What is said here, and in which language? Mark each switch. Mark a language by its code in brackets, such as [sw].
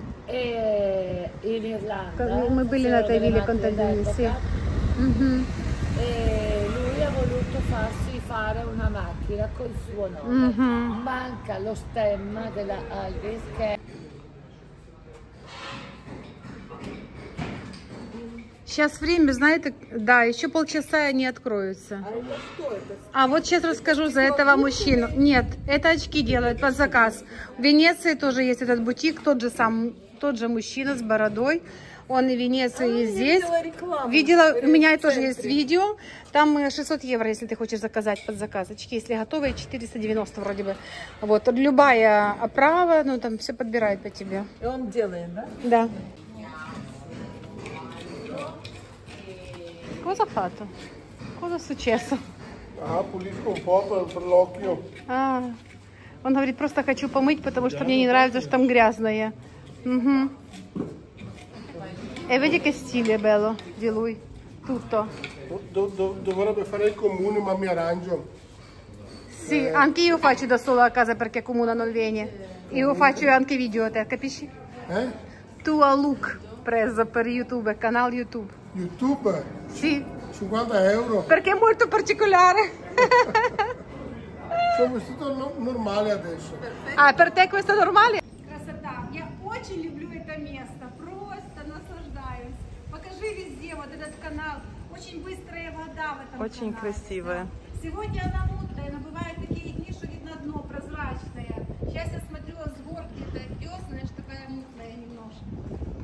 [it] E in Irlanda come quelli della Taiville Contadini sì. Mm-hmm. E lui ha voluto farsi fare una macchina col suo nome mm-hmm. manca lo stemma della Alvis che [ru] Сейчас время, знаете, да, еще полчаса и они откроются. А вот сейчас расскажу за этого мужчину. Нет, это очки делают под заказ. В Венеции тоже есть этот бутик, тот же сам, тот же мужчина с бородой. Он и в Венеции, и здесь. Видела, у меня тоже есть видео. Там 600 евро, если ты хочешь заказать под заказ. Очки, если готовые, 490 вроде бы. Вот, любая оправа, ну там все подбирают по тебе. И он делает, да? Да. [it] Cosa ha fatto? Cosa è successo? Ah, pulisco un po' per l'occhio. [ru] Ah, он говорит, просто хочу помыть, потому что мне не нравится, что там грязное. Угу. [it] E vedi che stile bello di lui, tutto. Dovrebbe fare il comune, ma mi arrangio. Sì, anche io faccio da solo a casa perché il comune non viene. Io faccio anche video a te, capisci? Tua look presa per YouTube, canale YouTube. YouTube? Sì. 50 euro. Perché è molto particolare. Sono vestito normale adesso. Ah, per te questo è normale? [ru] Красота. Я очень люблю это место. Просто наслаждаюсь. Покажи везде вот этот канал. Очень быстрая вода в этом очень канале. Очень красивая. Да? Сегодня она мутная, но бывают такие дни, что видно дно прозрачное. Сейчас я смотрю, озвор где-то идет, знаешь, такая мутная немножко.